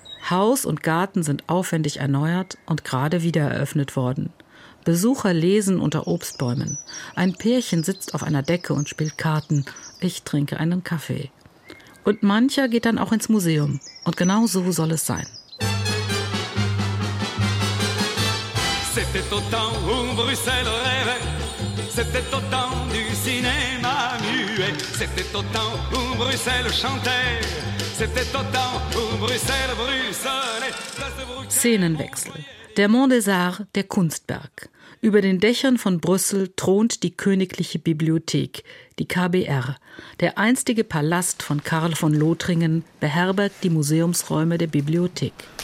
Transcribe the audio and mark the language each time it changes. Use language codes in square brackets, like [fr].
[de] Haus und Garten sind aufwendig erneuert und gerade wieder eröffnet worden. Besucher lesen unter Obstbäumen. Ein Pärchen sitzt auf einer Decke und spielt Karten. Ich trinke einen Kaffee. Und mancher geht dann auch ins Museum. Und genau so soll es sein. [fr] C'était au temps où Bruxelles rêvait, c'était au temps du cinéma muet, c'était au temps où Bruxelles chantait, c'était au temps où Bruxelles brûlait. [de] Szenenwechsel. Der Mont des Arts, der Kunstberg. Über den Dächern von Brüssel thront die Königliche Bibliothek, die KBR. Der einstige Palast von Karl von Lothringen beherbergt die Museumsräume der Bibliothek.